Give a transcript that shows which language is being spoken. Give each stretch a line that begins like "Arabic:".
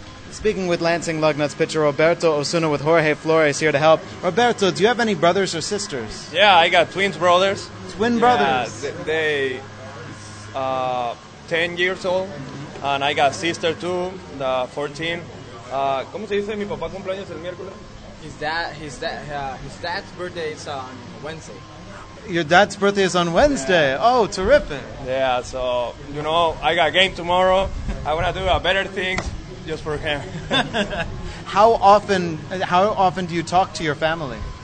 English: Speaking with Lansing Lugnuts pitcher Roberto Osuna with Jorge Flores here to help. Roberto, do you have any brothers or sisters? Yeah, I got twins brothers. Twin brothers? Yeah, they 10 years old, and I got sister too, the 14.
Spanish: ¿Cómo se dice mi papá cumpleaños el miércoles?
English: His dad's birthday is on Wednesday. Your dad's birthday is on Wednesday. Yeah. Oh, terrific. Yeah, so, you know, I got a game tomorrow. I want to do a better things. Just for him. How often do you talk to your family?